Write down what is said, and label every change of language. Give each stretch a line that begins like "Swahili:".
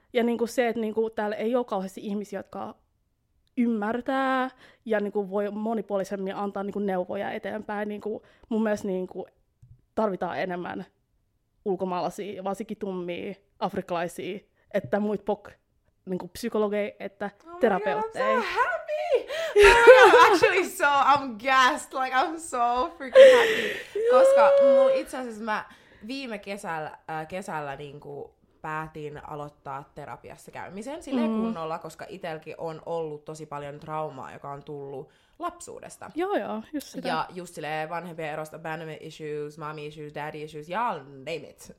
Finnish: Ja niin kuin se, että niin kuin täällä ei ole kauheasti ihmisiä, jotka ymmärtää ja niin kuin voi monipuolisemmin antaa niin kuin neuvoja eteenpäin. Niin kuin mun mielestä niin kuin tarvitaan enemmän ulkomaalaisia, varsinkin tummia, afrikkalaisia, että muita niin kuin psykologeja, että terapeutteja.
English: Oh I'm actually so, I'm gassed, like I'm so freaking happy.
Finnish: Koska mun itse asiassa mä viime kesällä niinku päätin aloittaa terapiassa käymisen silleen kunnolla, koska itselläkin on ollut tosi paljon traumaa, joka on tullut lapsuudesta. Joo, just sitä. Ja just silleen vanhempien erosta,
English: abandonment issues, mommy issues, daddy issues, y'all name it.